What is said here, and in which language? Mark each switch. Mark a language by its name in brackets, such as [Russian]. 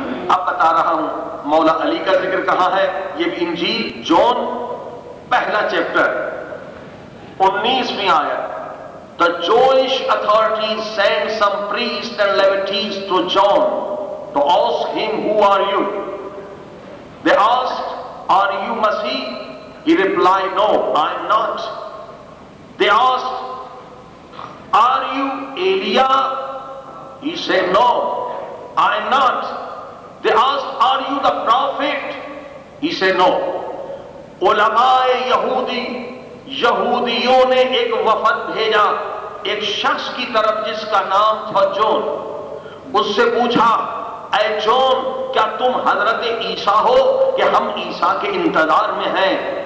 [Hindi] अब बता रहा हूं मौला अली का जिक्र कहां है, ये इंजील जॉन पहला चैप्टर 19वीं आयत। [English] The Jewish authorities sent some priests and Levites to John to ask him, "Who are you?" They asked, "Are you Messiah?" He replied, "No, I am not." They asked, "Are you Elijah?" He said, "No, I am not." They asked, "Are you the prophet?" He said, "No." [Hindi] Ulamae Yahudi, यहूदियों ने एक वफद भेजा एक शख्स की तरफ जिसका नाम था जॉन, उससे पूछा ऐ जॉन क्या तुम हजरत ईसा हो कि हम ईसा के इंतजार में हैं?